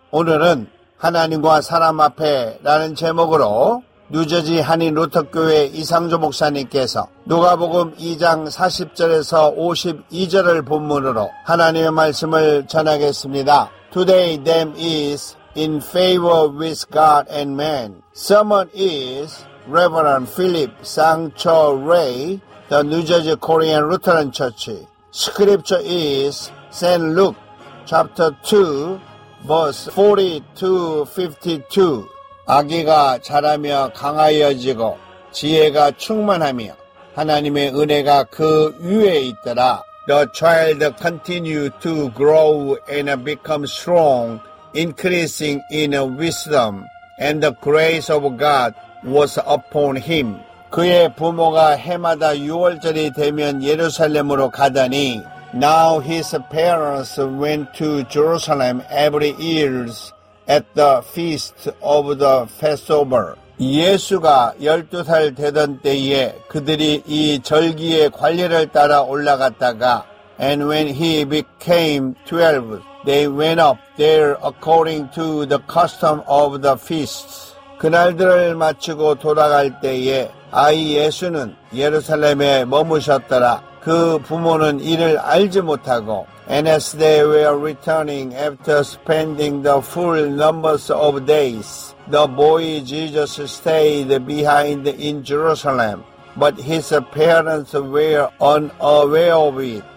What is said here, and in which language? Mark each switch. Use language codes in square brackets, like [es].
[ko] 오늘은 하나님과 사람 앞에 라는 제목으로 뉴저지 한인 루터교회 이상조 목사님께서 누가복음 2장 40절에서 52절을 본문으로 하나님의 말씀을 전하겠습니다. [en] Today them is in favor with God and man. Someone is Reverend Philip Sangcho Ray, the New Jersey Korean Lutheran Church. Scripture is St. Luke. Chapter 2, verse 42-52. [ko] 아기가 자라며 강하여지고 지혜가 충만하며 하나님의 은혜가 그 위에 있더라. [en] The child continued to grow and become strong, increasing in wisdom, and the grace of God was upon him. [ko] 그의 부모가 해마다 유월절이 되면 예루살렘으로 가더니 [en] Now his parents went to Jerusalem every year at the feast of the Passover. [ko] 예수가 12살 되던 때에 그들이 이 절기의 관례를 따라 올라갔다가 [en] And when he became 12, they went up there according to the custom of the feasts. [ko] 그날들을 마치고 돌아갈 때에 아이 예수는 예루살렘에 머무셨더라. 그 부모는 이를 알지 못하고 [en] And as they were returning after spending the full numbers of days, the boy Jesus stayed behind in Jerusalem. But his parents were unaware of it.